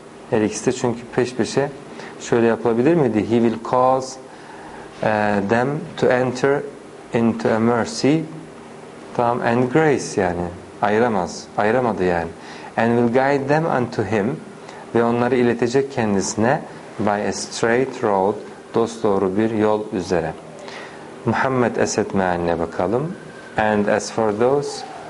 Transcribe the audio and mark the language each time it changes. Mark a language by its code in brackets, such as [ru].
[tr] Her ikisi de çünkü peş peşe şöyle yapılabilir miydi? [en] He will cause them to enter into a mercy. [tr] Tamam, [en] and grace [tr] yani. Ayıramaz. Ayıramadı yani. [en] And will guide them unto him, [tr] ve onları iletecek kendisine, [en] by a straight road, [tr] dosdoğru bir yol üzere. Muhammed Esed mealine bakalım. [en] And as for those